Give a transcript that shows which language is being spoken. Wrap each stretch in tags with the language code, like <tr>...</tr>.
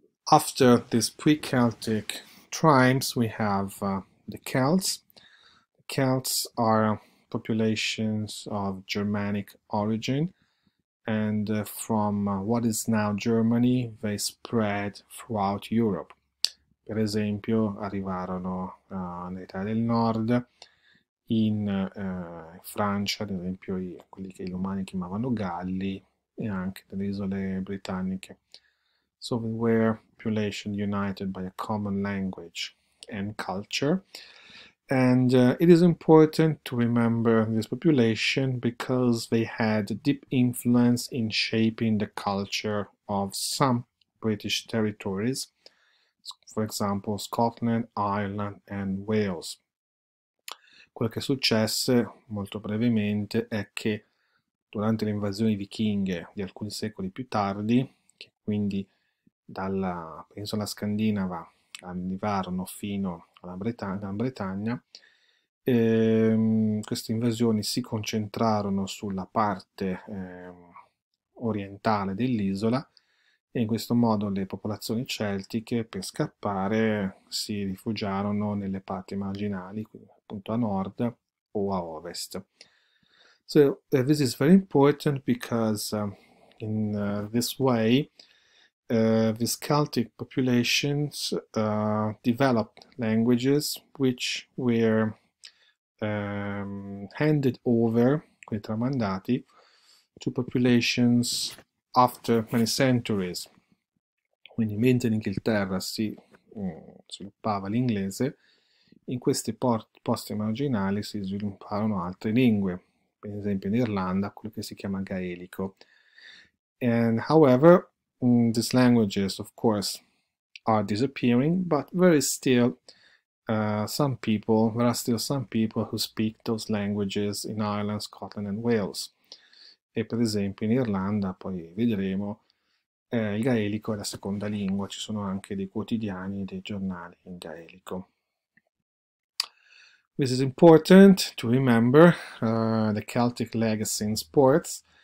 <en>After these pre-Celtic times, we have the Celts. The Celts are populations of Germanic origin, and from what is now Germany, they spread throughout Europe.</en> <it>Per esempio, arrivarono nell'Italia del Nord. In Francia, ad esempio, quelli che i romani chiamavano Galli, e anche nelle isole britanniche.</it> <en>So we were population united by a common language and culture. And it is important to remember this population because they had a deep influence in shaping the culture of some British territories, for example, Scotland, Ireland, and Wales.</en> <it>Quel che successe, molto brevemente, è che durante le invasioni vichinghe di alcuni secoli più tardi, che quindi dalla penisola scandinava arrivarono fino alla Bretagna, queste invasioni si concentrarono sulla parte orientale dell'isola e in questo modo le popolazioni celtiche, per scappare, si rifugiarono nelle parti marginali, quindi appunto a nord o a ovest.</it> <en>So this is very important because in this way these Celtic populations developed languages which were handed over,</en> <it>quindi tramandati,</it> <en>to populations after many centuries.</en> <it>Quindi mentre in Inghilterra si sviluppava l'inglese, in questi posti marginali si svilupparono altre lingue, per esempio in Irlanda, quello che si chiama gaelico.</it> <en>And however, these languages, of course, are disappearing, but there are still some people who speak those languages in Ireland, Scotland, and Wales.</en> <it>E per esempio in Irlanda, poi vedremo, il gaelico è la seconda lingua, ci sono anche dei quotidiani e dei giornali in gaelico.</it> <en>This is important to remember the Celtic legacy in sports.</en>